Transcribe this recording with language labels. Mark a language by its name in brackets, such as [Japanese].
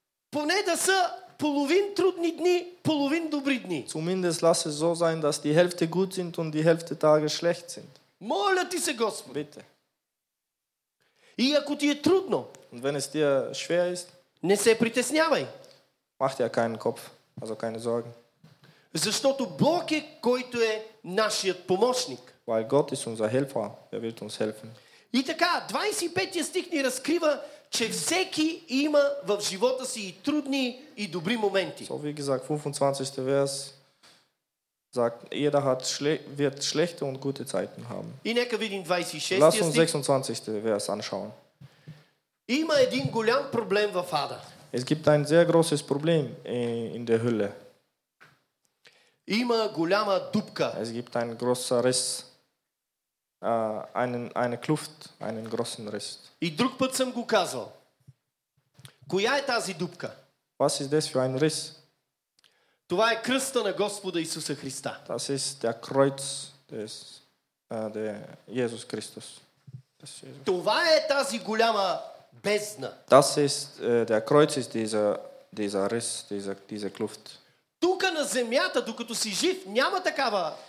[Bulgarian] Поне да са половин трудни дни, половин добри дни. [German] Zumindest lass es so sein, dass die Hälfte gut sind und die Hälfte Tage schlecht sind. [Bulgarian] Моля ти се, Господи. [German] Bitte. [Bulgarian] И ако ти е трудно, [German] und wenn es dir schwer ist, [Bulgarian] не се притеснявай. [German] Mach dir keinen Kopf, also keine Sorgen. [Bulgarian] Защото Бог е, който е нашият помощник. [German] Weil Gott ist unser Helfer, er wird uns helfen. [Bulgarian] И така, 25-я стих ни разкрива, че всеки има в живота си и трудни и добри моменти. [German] So wie gesagt, 25. Vers sagt, jeder hat wird schlechte und gute Zeiten haben. [Bulgarian] И нека видим 26-я. [German] Lass uns 26. Vers anschauen. [Bulgarian] Има един голям проблем в Ада. [German] Es gibt ein sehr großes Problem in der Hölle. [Bulgarian] Има голяма дупка. [German] Es gibt ein großer Riss. Eine Kluft, einen großen Riss. [Bulgarian] И друг път съм го казал. Коя е тази дупка? [German] Was ist das für ein Riss? [Bulgarian] Това е кръста на Господа Исуса Христа. [German] Das ist der Kreuz des Jesus Christus. [Bulgarian] Това е тази голяма бездна. [German] Das ist der Kreuz ist dieser Riss, diese Kluft. [Bulgarian] Тук на земята, докато си жив, няма такава.